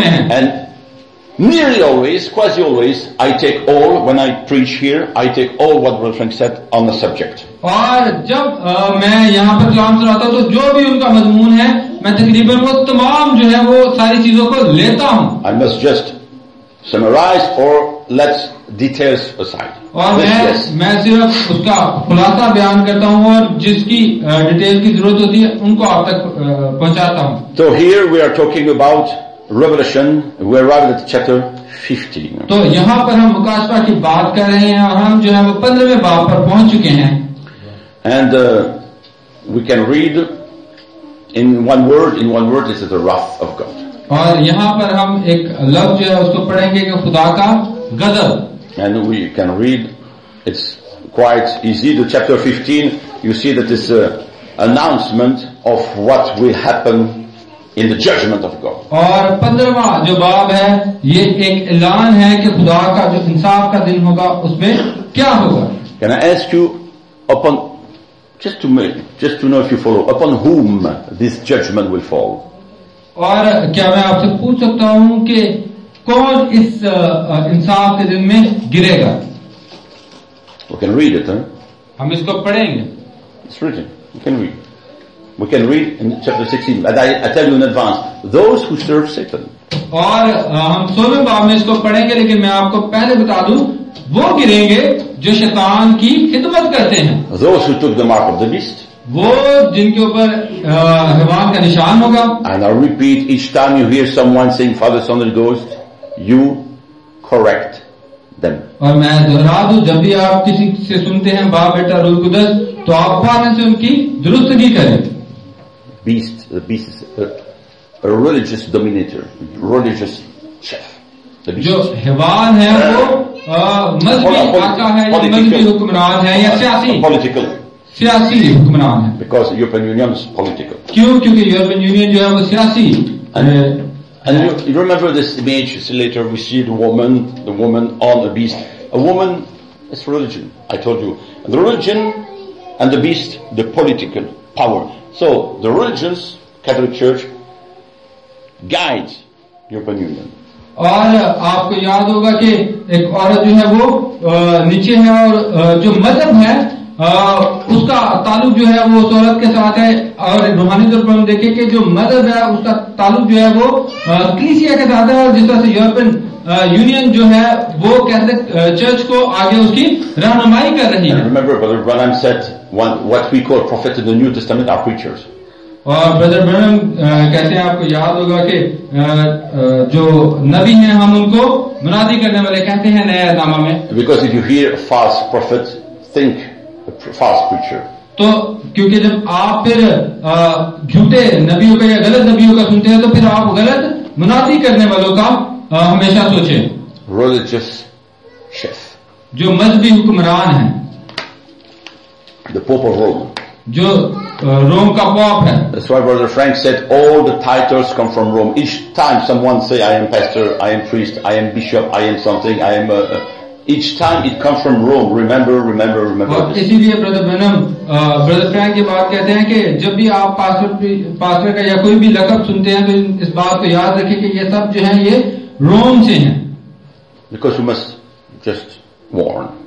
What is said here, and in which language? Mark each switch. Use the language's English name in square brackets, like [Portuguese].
[English] And nearly always, quasi always, I take all, when I preach here, I take all what Brother Frank said on the subject. [Hindi] और जब मैं यहाँ पर कलाम सुनाता हूँ तो जो भी उनका मजमून है मैं तकरीबन वो तमाम जो है वो सारी चीजों को लेता हूँ. [English] I must just summarize or let's details aside. [Hindi] और मैं सिर्फ उसका खुलासा बयान करता हूँ और जिसकी डिटेल की जरूरत होती है उनको आप तक पहुँचाता हूँ. [English] So here we are talking about Revelation. We arrived at chapter 15. [Hindi] तो यहाँ पर हम मुकाशवा की बात कर रहे हैं और हम जो है वो 15वें बाब पर पहुंच चुके हैं. [English] And we can read in one word. In one word, this is the wrath of God. [Hindi] और यहाँ पर हम एक लफ्ज़ जो है उसको पढ़ेंगे कि खुदा का गज़ब. [English] And we can read. It's quite easy. The chapter 15. You see that it's an announcement of what will happen in the judgment of God. [Hindi] और 15वां जो बाब है ये एक ऐलान है कि खुदा का जो इंसाफ का दिन होगा उसमें क्या होगा. [English] Can I ask you upon Just to know if you follow, upon whom this judgment will fall? [Hindi] और क्या मैं आपसे पूछ सकता हूँ कि कौन इस इंसाफ के दिन में गिरेगा? [English] We can read it, huh? [Hindi] हम इसको पढ़ेंगे. [English] It's written. We can read in chapter 16. And I tell you in advance, those who serve Satan. [Hindi] और हम 16वें बाब में इसको पढ़ेंगे, लेकिन मैं आपको पहले बता दूँ, वो गिरेंगे जो शैतान की खिदमत करते हैं. [English] Those who took the mark of the beast. [Hindi] वो जिनके ऊपर हैवान का निशान होगा. [English] And I repeat, each time you hear someone saying Father, Son, and Ghost, you correct them. [Hindi] और मैं दोहरा दूं, जब भी आप किसी से सुनते हैं बाप बेटा रूह कुदस, तो आप फौरन से उनकी दुरुस्तगी करें. [English] Beast is a religious dominator, religious chef. [Hindi] जो हैवान है वो मजहबी हुक्मरान है या सियासी हुक्मरान है. [English] Because European Union is political. [Hindi] क्योंकि European Union जो है वो सियासी. [English] And you remember this image? See, later we see the woman on a beast. A woman is religion. I told you the religion and the beast, the political power. So the religions, Catholic Church, guides European Union. [Hindi] और आपको याद होगा कि एक औरत जो है वो नीचे है और जो मजहब है उसका ताल्लुक जो है वो उस औरत के साथ है. और रूहानी तौर पर हम देखें कि जो मजहब है उसका ताल्लुक जो है वो क्लीसिया के साथ है. और जिस तरह से यूरोपियन यूनियन जो है वो कैथोलिक चर्च को आगे उसकी रहनुमाई कर रही है. [English] Remember, Brother Branham said, what we call prophets in the New Testament are preachers. [Hindi] और ब्रदर ब्रैनम कहते हैं, आपको याद होगा कि जो नबी हैं हम उनको मुनादी करने वाले कहते हैं नए नामा में. [English] Because if you hear fast prophet think fast preacher. [Hindi] तो क्योंकि जब आप फिर झूठे नबियों का या गलत नबियों का सुनते हैं तो फिर आप गलत मुनादी करने वालों का हमेशा सोचें. [English] religious chief [Hindi] जो मजहबी हुक्मरान है, [English] the pope of Rome, [Hindi] जो रोम का पाप है. [English] That's why Brother Frank said all the titles come from Rome. Each time someone say I am pastor, I am priest, I am bishop, I am something, I am. Each time it comes from Rome. Remember. [Hindi] और इसीलिए Brother Branham, Brother Frank ये बात कहते हैं कि जब भी आप पास्टर का या कोई भी लकब सुनते हैं तो इस बात को याद रखें कि ये सब जो है ये रोम से हैं. [English] Because you must just warn.